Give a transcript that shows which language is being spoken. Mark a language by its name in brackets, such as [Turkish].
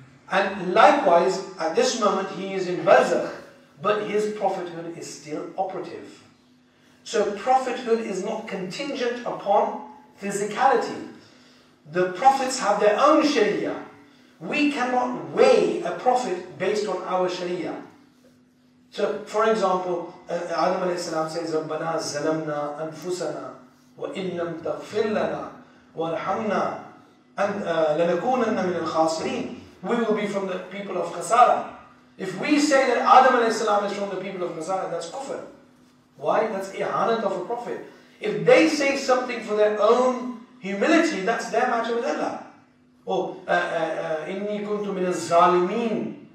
[English] And likewise, at this moment he is in Barzakh, but his prophethood is still operative. So prophethood is not contingent upon physicality. The prophets have their own Sharia. We cannot weigh a prophet based on our Sharia. So for example, Adam alayhi salam says, [Arabic] رَبَّنَا زَلَمْنَا أَنفُسَنَا وَإِنَّمْ تَغْفِرْ لَنَا وَارْحَمْنَا لَنَكُونَنَّ مِنَ الْخَاسِرِينَ. [English] We will be from the people of Khasara. If we say that Adam alayhi salam is from the people of Khasara, that's kufr. Why? That's ihanat of a prophet. If they say something for their own humility, that's their matter with Allah. Or, [Arabic] inni kuntu min al-zalimeen.